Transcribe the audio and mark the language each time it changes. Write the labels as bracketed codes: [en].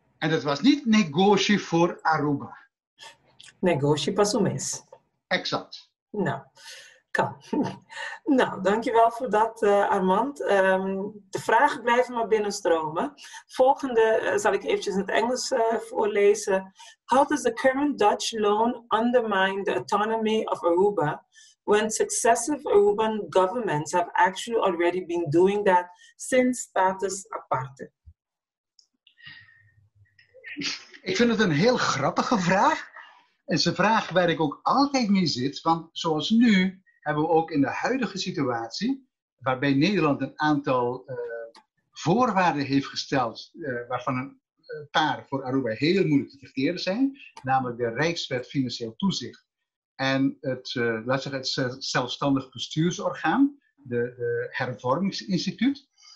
[nl] En dat was niet Negoshi voor Aruba. Negoshi pas om eens. Exact. Nou, kan. Nou, dankjewel voor dat, Armand. De vragen blijven maar binnenstromen. Volgende zal ik eventjes in het Engels voorlezen. [en] How does the current Dutch loan undermine the autonomy of Aruba when successive Aruban governments have actually already been doing that since status aparte? [nl] Ik vind het een heel grappige vraag. En ze vraagt waar ik ook altijd mee zit, want zoals nu hebben we ook in de huidige situatie, waarbij Nederland een aantal voorwaarden heeft gesteld, waarvan een paar voor Aruba heel moeilijk te verteren zijn, namelijk de Rijkswet Financieel Toezicht en het zelfstandig bestuursorgaan, de Hervormingsinstituut.